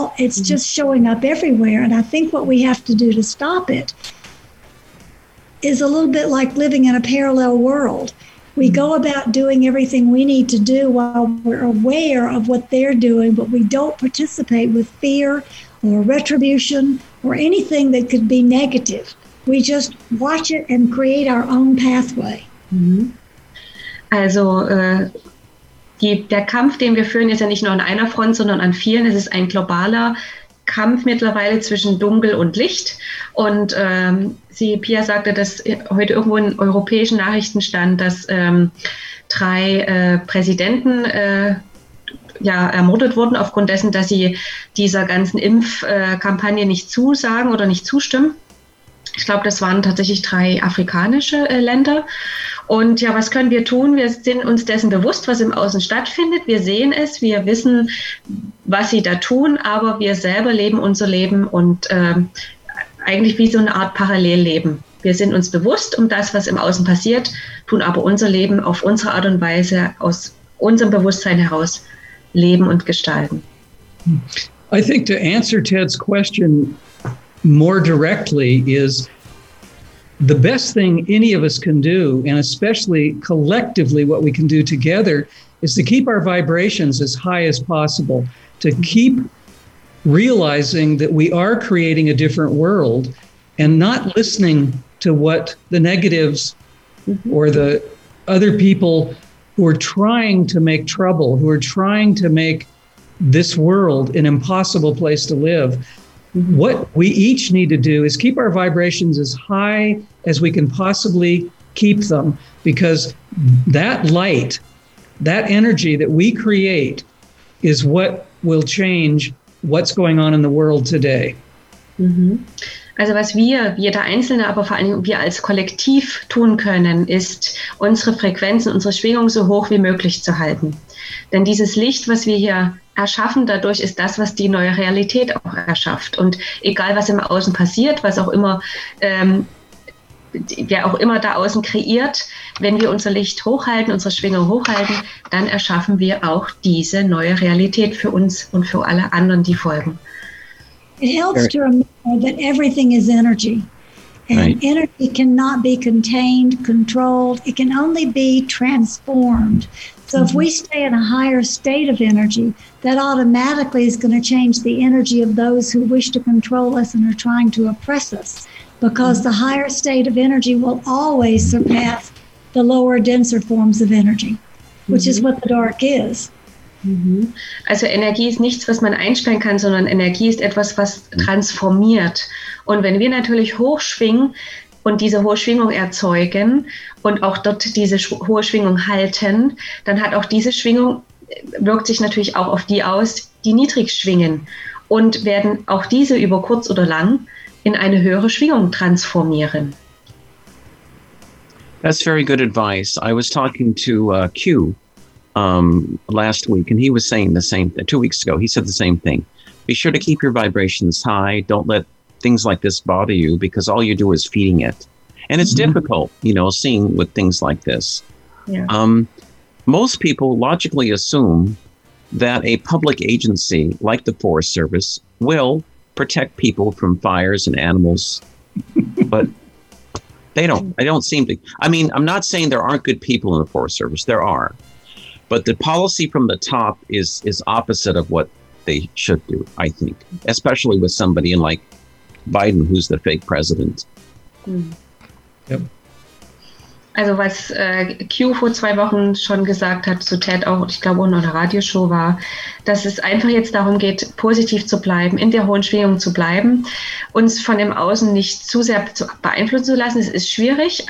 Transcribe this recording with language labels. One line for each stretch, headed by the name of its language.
English: It's just showing up everywhere. And I think what we have to do to stop it is a little bit like living in a parallel world. We go about doing everything we need to do while we're aware of what they're doing, but we don't participate with fear or retribution or anything that could be negative. We just watch it and create our own pathway. Mm-hmm.
German: Also, der Kampf, den wir führen, ist ja nicht nur an einer Front, sondern an vielen. Es ist ein globaler Kampf mittlerweile zwischen Dunkel und Licht. Und Pia sagte, dass heute irgendwo in europäischen Nachrichten stand, dass drei Präsidenten ermordet wurden aufgrund dessen, dass sie dieser ganzen Impfkampagne nicht zusagen oder nicht zustimmen. Ich glaube, das waren tatsächlich drei afrikanische Länder. Und ja, was können wir tun? Wir sind uns dessen bewusst, was im Außen stattfindet. Wir sehen es, wir wissen, was sie da tun, aber wir selber leben unser Leben und eigentlich wie so eine Art Parallelleben. Wir sind uns bewusst um das, was im Außen passiert, tun aber unser Leben auf unsere Art und Weise, aus unserem Bewusstsein heraus leben und gestalten.
English: I think to answer Ted's question more directly is, the best thing any of us can do, and especially collectively what we can do together, is to keep our vibrations as high as possible, to keep realizing that we are creating a different world and not listening to what the negatives or the other people who are trying to make trouble, who are trying to make this world an impossible place to live. What we each need to do is keep our vibrations as high as we can possibly keep them, because that light, that energy that we create is what will change what's going on in the world today. Mm-hmm.
German: Also was wir, jeder Einzelne, aber vor allem wir als Kollektiv tun können, ist unsere Frequenzen, unsere Schwingung so hoch wie möglich zu halten. Denn dieses Licht, was wir hier erschaffen, dadurch ist das, was die neue Realität auch erschafft. Und egal, was im Außen passiert, was auch immer, wer auch immer da außen kreiert, wenn wir unser Licht hochhalten, unsere Schwingung hochhalten, dann erschaffen wir auch diese neue Realität für uns und für alle anderen, die folgen.
English: It helps to remember that everything is energy. And right. Energy cannot be contained, controlled. It can only be transformed. So if we stay in a higher state of energy, that automatically is going to change the energy of those who wish to control us and are trying to oppress us. Because the higher state of energy will always surpass the lower, denser forms of energy, which is what the dark is.
German: Also Energie ist nichts, was man einsperren kann, sondern Energie ist etwas, was transformiert. Und wenn wir natürlich hochschwingen und diese hohe Schwingung erzeugen und auch dort diese hohe Schwingung halten, dann hat auch diese Schwingung, wirkt sich natürlich auch auf die aus, die niedrig schwingen, und werden auch diese über kurz oder lang in eine höhere Schwingung transformieren.
English: That's very good advice. I was talking to Q last week, and he was saying the same thing. 2 weeks ago, he said the same thing. Be sure to keep your vibrations high. Don't let things like this bother you, because all you do is feeding it. And it's difficult, you know, seeing with things like this. Yeah. Most people logically assume that a public agency like the Forest Service will protect people from fires and animals, but I'm not saying there aren't good people in the Forest Service. There are. But the policy from the top is opposite of what they should do, I think, especially with somebody in like Biden, who's the fake president. Yep.
German: Also was Q vor 2 Wochen schon gesagt hat zu Ted, auch ich glaube in einer Radioshow, war, dass es einfach jetzt darum geht, positiv zu bleiben, in der hohen Schwingung zu bleiben, uns von dem Außen nicht zu sehr beeinflussen zu lassen. Es ist schwierig.